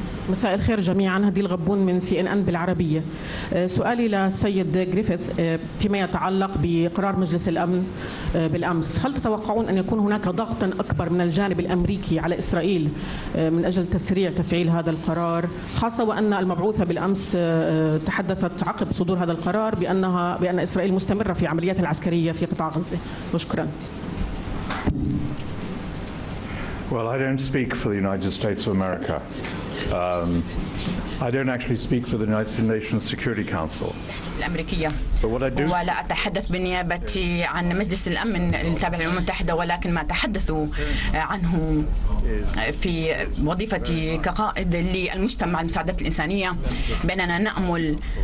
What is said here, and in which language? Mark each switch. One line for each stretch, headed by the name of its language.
Arabic: مساء الخير جميعا، هديل غبون من CNN بالعربية. سؤالي للسيد جريفيث فيما يتعلق بقرار مجلس الأمن بالأمس، هل تتوقعون أن يكون هناك ضغطا أكبر من الجانب الأمريكي على إسرائيل من أجل تسريع تفعيل هذا القرار، خاصة وأن المبعوثة بالأمس تحدثت عقب صدور هذا القرار بأن إسرائيل مستمرة في عمليات العسكرية في قطاع غزة؟ وشكرا.
English: Well, I don't speak for the United States of America. I don't actually speak for the United Nations Security Council.
Arabic: الأمريكية.
English: But what I do.
Arabic: ولا أتحدث بالنيابة عن مجلس الأمن التابع للأمم المتحدة، ولكن ما تحدثوا عنه في وظيفتي كقائد للمجتمع المساعدات الإنسانية، بأننا نأمل